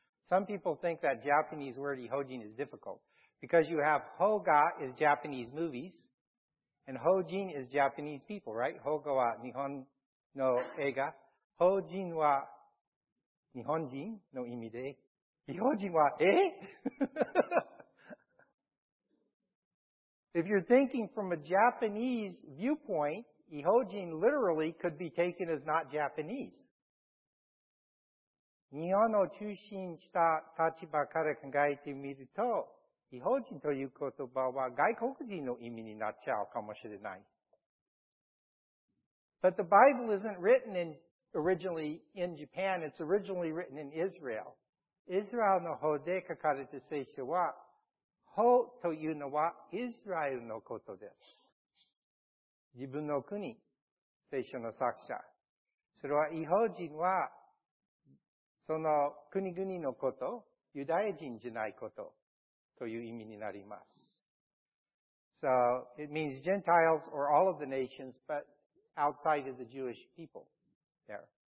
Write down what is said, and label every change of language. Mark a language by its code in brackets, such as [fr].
[en] Some people think that Japanese word 異邦人 is difficult because you have ほうが is Japanese movies and ほう人 is Japanese people, right? [ja] ほうがは日本の映画。ほう人は日本人の意味で、異邦人は、え? [en] If you're thinking from a Japanese viewpoint, 異邦人 literally could be taken as not Japanese. [ja] 日本を中心した立場から考えてみると、異邦人という言葉は外国人の意味になっちゃうかもしれない。 [en] But the Bible isn't written in, originally in Japan, it's originally written in Israel. [ja] イスラエルの方で書かれた聖書は、ほうというのはイスラエルのことです。自分の国、聖書の作者。それは、異邦人は、その国々のこと、ユダヤ人じゃないこと、という意味になります。 [en] So, it means Gentiles or all of the nations, but outside of the Jewish people there.